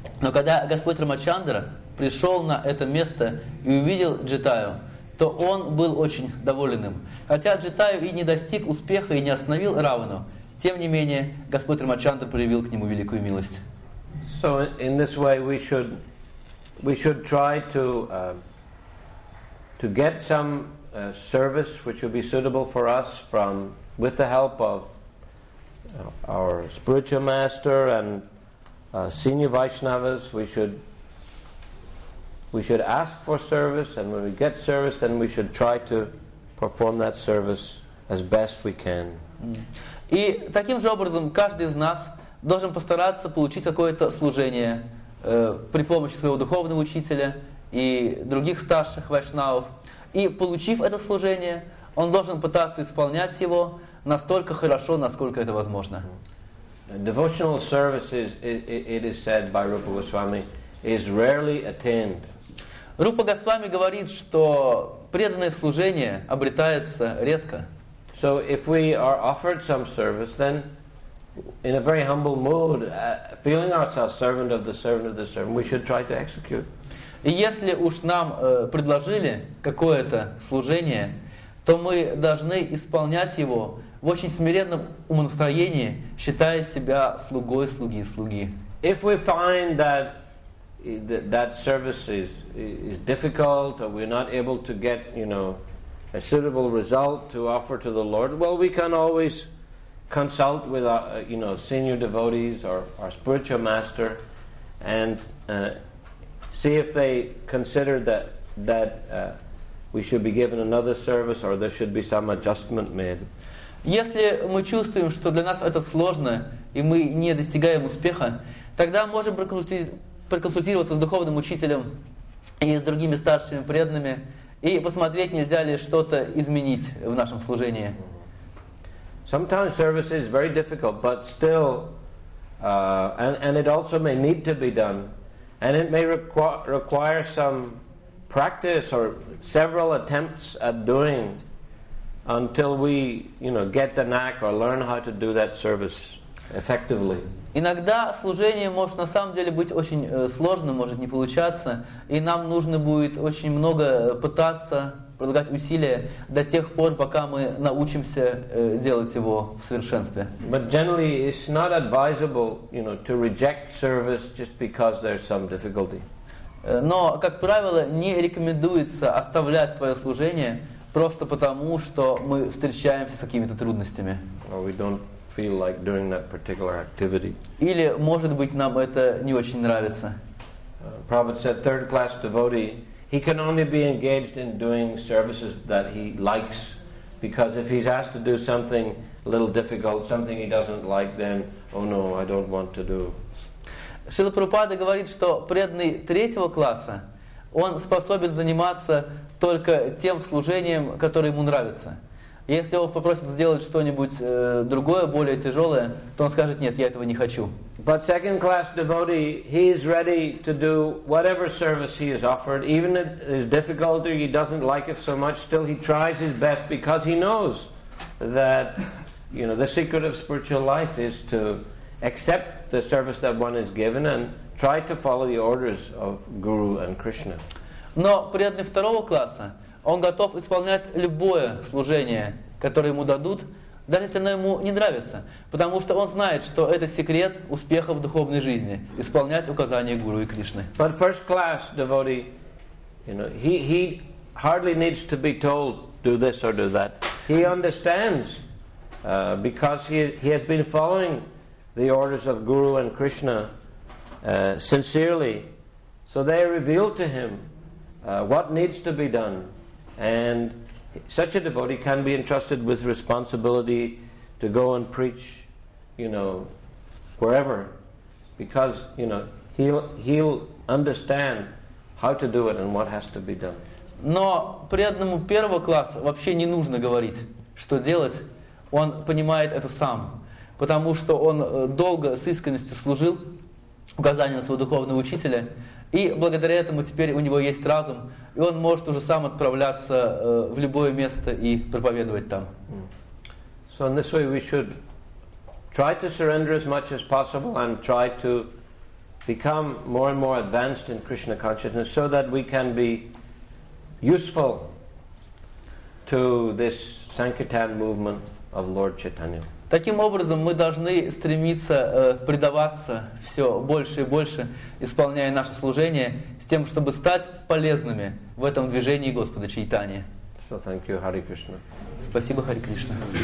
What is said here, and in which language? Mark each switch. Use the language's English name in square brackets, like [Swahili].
[Russian] Но когда Господь Рамачандра пришел на это место и увидел Джатайо, то он был очень доволен им. Хотя Джатайо и не достиг успеха и не остановил Равану, тем не менее Господь Рамачандра проявил к нему великую милость. [English] So in this way we should try to get some service which would be suitable for us from with the help of our spiritual master and senior Vaishnavas. We should ask for service, and when we get service, then we should try to perform that service as best we can. [Russian] И таким же образом каждый из нас должен постараться получить какое-то служение при помощи своего духовного учителя и других старших вайшнавов. И получив это служение, он должен пытаться исполнять его настолько хорошо, насколько это возможно. [English] Devotional service, it is said by Rupa Goswami, is rarely attained. [Russian] Рупа Госвами говорит, что преданное служение обретается редко. [English] So if we are offered some service, then in a very humble mood, feeling ourselves servant of the servant of the servant, we should try to execute. [Russian] И если уж нам предложили какое-то служение, то мы должны исполнять его в очень смиренном умонастроении, считая себя слугой слуги. [English] If we find that service is difficult, or we're not able to get, you know, a suitable result to offer to the Lord, well, we can always consult with our, you know, senior devotees or our spiritual master, and see if they consider that we should be given another service, or there should be some adjustment made. [Russian] Если мы чувствуем, что для нас это сложно и мы не достигаем успеха, тогда можем проконсультироваться с духовным учителем и с другими старшими преданными и посмотреть, нельзя ли что-то изменить в нашем служении. [English] Sometimes service is very difficult, but still, and it also may need to be done, and it may require some practice or several attempts at doing until we, you know, get the knack or learn how to do that service effectively. [Russian] Иногда служение может на самом деле быть очень сложным, может не получаться, и нам нужно будет очень много пытаться, прилагать усилия до тех пор, пока мы научимся делать его в совершенстве. [English] But generally it's not advisable, you know, to reject service just because there's some difficulty. [Russian] Но, как правило, не рекомендуется оставлять свое служение просто потому, что мы встречаемся с какими-то трудностями. [English] Or we don't feel like doing that particular activity. [Russian] Или, может быть, нам это не очень нравится. [English] Prabhupada said, third class devotee, he can only be engaged in doing services that he likes, because if he's asked to do something a little difficult, something he doesn't like, then, oh no, I don't want to do. [Russian] Шрила Прабхупада говорит, что преданный третьего класса, он способен заниматься только тем служением, которое ему нравится. Если его попросят сделать что-нибудь другое, более тяжелое, то он скажет, нет, я этого не хочу. [English] But second class devotee, he is ready to do whatever service he is offered, even if it is difficult or he doesn't like it so much, still he tries his best, because he knows that, you know, the secret of spiritual life is to accept the service that one is given and try to follow the orders of Guru and Krishna. [Russian] Но преданный второго класса, он готов исполнять любое служение, которое ему дадут, даже если оно ему не нравится, потому что он знает, что это секрет успеха в духовной жизни — исполнять указания Гуру и Кришны. [English] But first class devotee, you know, he hardly needs to be told do this or do that. He understands, because he has been following the orders of Guru and Krishna sincerely, so they reveal to him what needs to be done, and such a devotee can be entrusted with responsibility to go and preach, you know, wherever, because, you know, he'll understand how to do it and what has to be done. [Russian] Но преданному первого класса вообще не нужно говорить, что делать. Он понимает это сам, потому что он долго с искренностью служил указаниям своего духовного учителя, и благодаря этому теперь у него есть разум, и он может уже сам отправляться в любое место и проповедовать там. [English] So in this way we should try to surrender as much as possible and try to become more and more advanced in Krishna consciousness so that we can be useful to this Sankirtan movement of Lord Chaitanya. [Russian] Таким образом, мы должны стремиться предаваться все больше и больше, исполняя наше служение, с тем, чтобы стать полезными в этом движении Господа Чайтани. [English] So thank you, Hare Krishna. [Russian] Спасибо, Харе Кришна.